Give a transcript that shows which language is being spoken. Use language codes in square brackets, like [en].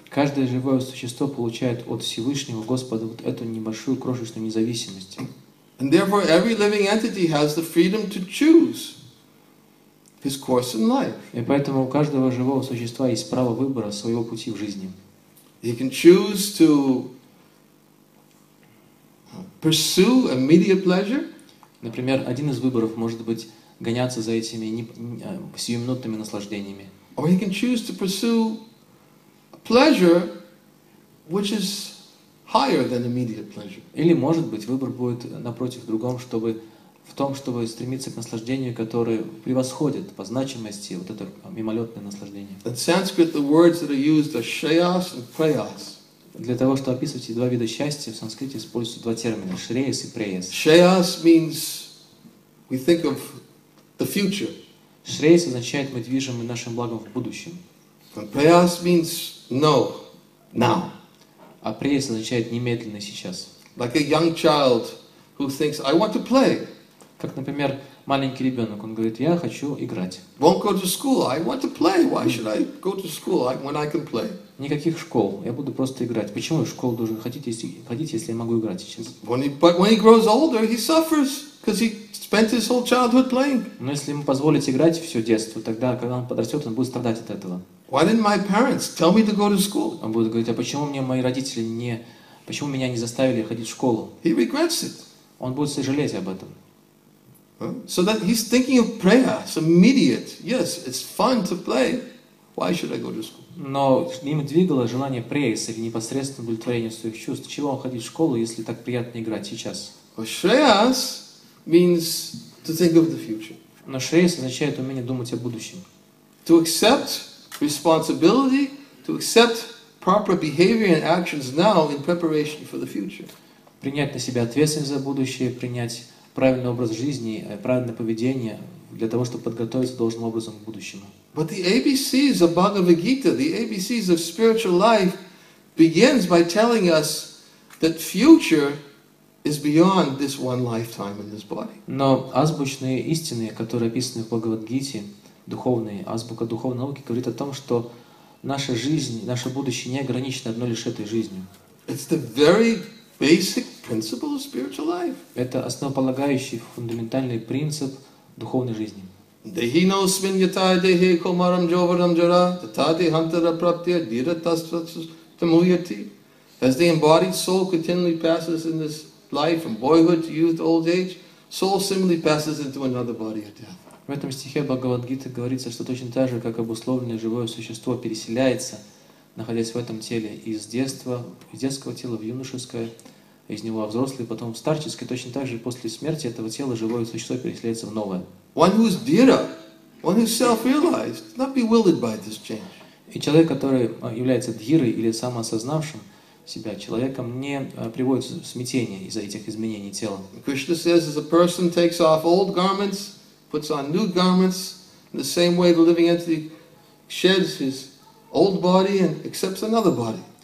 [ru] Каждое живое существо получает от Всевышнего Господа вот эту небольшую крошечную независимость. [en] And therefore every living entity has the freedom to choose his course in life. [ru] И поэтому у каждого живого существа есть право выбора своего пути в жизни. [en] He can choose to pursue immediate pleasure. [ru] Например, один из выборов может быть гоняться за этими сиюминутными наслаждениями. [en] Or he can choose to pursue a pleasure which is higher than immediate pleasure. [ru] Или, может быть, выбор будет напротив другом, чтобы в том, чтобы стремиться к наслаждению, которое превосходит по значимости вот это мимолетное наслаждение. [en] In Sanskrit, the words that are used are shreyas and preyas. [ru] Для того, чтобы описывать два вида счастья, в санскрите используются два термина – shreyas и preyas. [en] Shreyas means we think of the future. [ru] Shreyas означает «мы движим нашим благом в будущем». [en] Preyas means «no», «now». [ru] А preyas означает «немедленно», «сейчас». [en] Like a young child who thinks «I want to play». [ru] Как, например, маленький ребенок, он говорит «я хочу играть». [en] Won't go to school, I want to play. Why should I go to school when I can play? [ru] Никаких школ, я буду просто играть. Почему я в школу должен ходить, если я могу играть сейчас? [en] But when he grows older, he suffers, because he spent his whole childhood playing. [ru] Но если ему позволить играть все детство, тогда, когда он подрастет, он будет страдать от этого. [en] Why didn't my parents tell me to go to school? [ru] Он будет говорить, а почему мне мои родители не... Почему меня не заставили ходить в школу? [en] He regrets it. [ru] Он будет сожалеть об этом. [en] So that he's thinking of prayer, it's immediate. Yes, it's fun to play. Why should I go to school? [ru] Но им двигало желание preyas или непосредственно удовлетворение своих чувств. Чего ходить в школу, если так приятно играть сейчас? [en] Shreyas means to think of the future. [ru] Но shreyas означает умение думать о будущем. [en] To accept responsibility, to accept proper behavior and actions now in preparation for the future. [ru] Принять на себя ответственность за будущее, принять правильный образ жизни, правильное поведение для того, чтобы подготовиться должным образом к будущему. [en] But the ABCs of Bhagavad Gita, the ABCs of spiritual life, begins by telling us that future is beyond this one lifetime in this body. [ru] Но азбучные истины, которые описаны в Бхагавад-гите, духовные, азбука духовной науки, говорит о том, что наша жизнь, наше будущее не ограничено одной лишь этой жизнью. [en] It's the very basic principle of spiritual life. [ru] Это основополагающий фундаментальный принцип духовной жизни. Dehi no svinyataya dehi komaram jovaram jara tathati hantara praptya dhira tasvatsu tamuyati. [en] As the embodied soul continually passes in this life from boyhood to youth to old age, soul similarly passes into another body at death. [ru] В этом стихе Бхагавад-гиты говорится, что точно так же, как обусловленное живое существо переселяется, находясь в этом теле, из детства, из детского тела в юношеское, из него во взрослый, потом в старческое, точно так же после смерти этого тела живое существо переселяется в новое. [en] One who is dhira, one who is self-realized, not bewildered by this change. [ru] И человек, который является дхирой или самоосознавшим себя человеком, не приводит в смятение из-за этих изменений тела. [en] Krishna says, as a person takes off old garments, puts on new garments, in the same way the living entity sheds his old body and accepts another body.